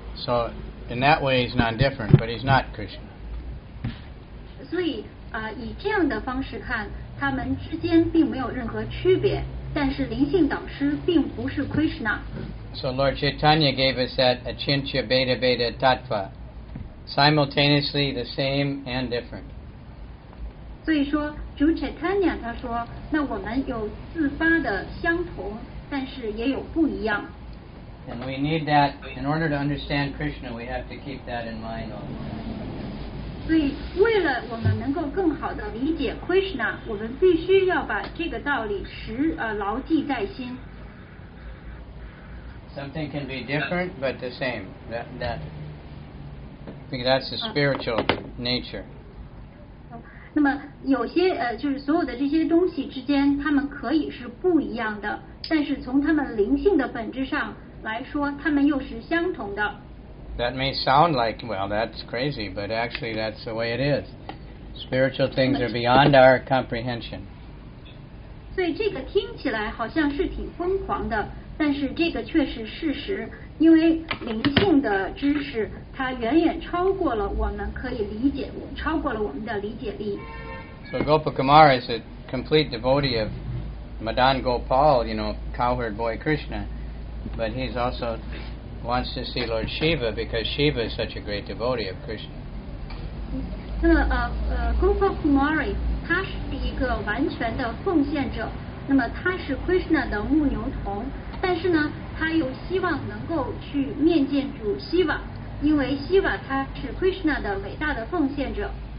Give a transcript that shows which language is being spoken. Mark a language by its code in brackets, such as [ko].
[en] So in that way he's non-different, but he's not Krishna. [zh] 所以以这样的方式看他们之间并没有任何区别但是灵性导师并不是 Krishna. [en] So Lord Chaitanya gave us that achintya beta beta tattva. Simultaneously the same and different. [zh] 所以说主 Chaitanya 他说那我们有自发的相同但是也有不一样。 [en] And we need that in order to understand Krishna, we have to keep that in mind also. [zh] 所以为了我们能够更好的理解 Krishna, 我们必须要把这个道理时牢记在心。 [en] Something can be different, but the same. I think that's the spiritual nature. [zh] 那么有些就是所有的这些东西之间它们可以是不一样的但是从它们灵性的本质上来说它们又是相同的。 [en] That may sound like, well, that's crazy, but actually that's the way it is. Spiritual things are beyond our comprehension. [zh] 所以这个听起来好像是挺疯狂的但是这个确实事实因为灵性的知识它远远超过了我们可以理解超过了我们的理解力。 [en] So Gopakumara is a complete devotee of Madan Gopal, you know, cowherd boy Krishna, but he's also wants to see Lord Shiva because Shiva is such a great devotee of Krishna. [zh] 那Gopakumari 他是一个完全的奉献者那么他是 Krishna 的牧牛童但是呢他又希望能够去面见主 Shiva 因为 Shiva 他是 Krishna 的伟大的奉献者